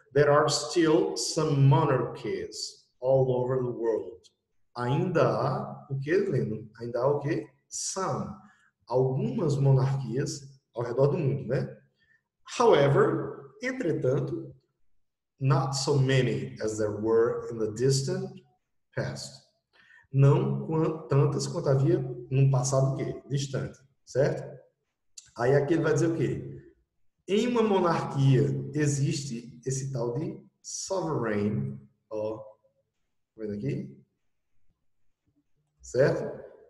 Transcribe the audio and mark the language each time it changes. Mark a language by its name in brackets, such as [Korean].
[English] There are still some monarchies all over the world. [Portuguese] Ainda há o quê, Leno? Ainda há o quê? Some. Algumas monarquias ao redor do mundo, né? [English] However, entretanto, not so many as there were in the distant past. [Portuguese] Não tantas quanto havia num passado o quê? Distante, certo? Aí aqui ele vai dizer o quê? Em uma monarquia existe esse tal de sovereign, ó, vendo aqui, certo?